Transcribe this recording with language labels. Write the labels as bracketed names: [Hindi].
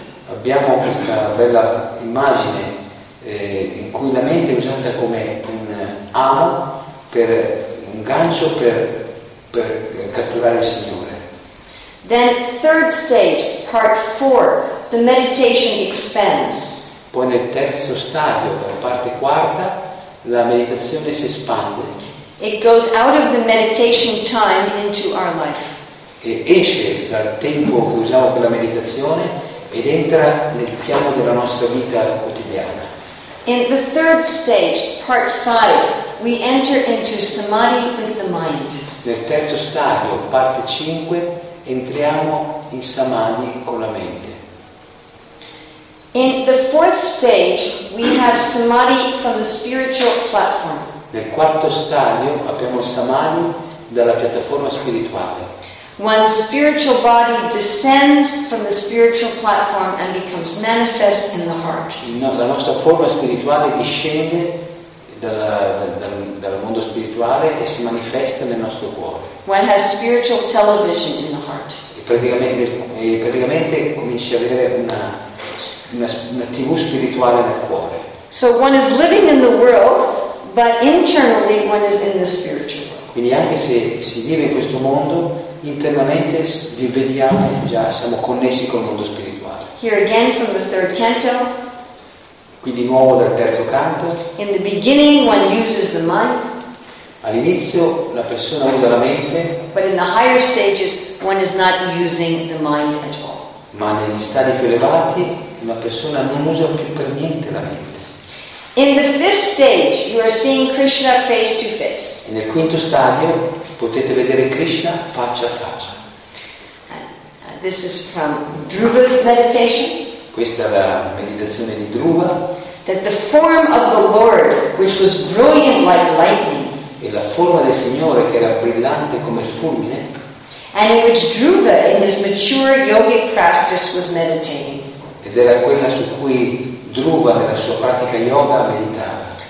[Italian] Abbiamo questa bella immagine in cui la mente è usata come un amo, per un gancio per catturare il Signore. [English] Then third stage, part four. The meditation expands. [Italian] Poi nel terzo stadio, la parte quarta, la meditazione si espande. [English] It goes out of the meditation time into our life. [Italian] E esce dal tempo che usiamo per la meditazione ed entra nel piano della nostra vita quotidiana. [English] In the third stage, part five, we enter into samadhi with the mind. [Italian] Nel terzo stadio, parte 5, entriamo in samadhi con la mente. [English] In the fourth stage, we have samadhi from the spiritual platform. [Italian] Nel quarto stadio abbiamo samadhi dalla piattaforma spirituale. [English] One's spiritual body descends from the spiritual platform and becomes manifest in the heart. [Italian] La nostra forma spirituale discende dal mondo spirituale e si manifesta nel nostro cuore. [English] One has spiritual television in the heart. [Italian] E praticamente cominci a avere una TV spirituale nel cuore. [English] So one is living in the world, but internally one is in the spiritual world. [Italian] Quindi anche se si vive in questo mondo, internamente vediamo già, siamo connessi col mondo spirituale. [English] Here again from the third canto. [Italian] Qui di nuovo dal terzo canto. [English] In the beginning one uses the mind. [Italian] All'inizio la persona usa la mente. [English] But in the higher stages one is not using the mind at all. [Italian] Ma negli stadi più elevati una persona non usa più per niente la mente. [English] In the fifth stage, you are seeing Krishna face to face. [Italian] E nel quinto stadio potete vedere Krishna faccia a faccia. [English] This is from Dhruva's meditation. [Italian] Questa è la meditazione di Dhruva. [English] That the form of the Lord, which was brilliant like lightning, [Italian] e la forma del Signore che era brillante come il fulmine, [English] and in which Dhruva, in his mature yogic practice, was meditating. [Italian] Ed era quella su cui Dhruva nella sua pratica yoga meditava.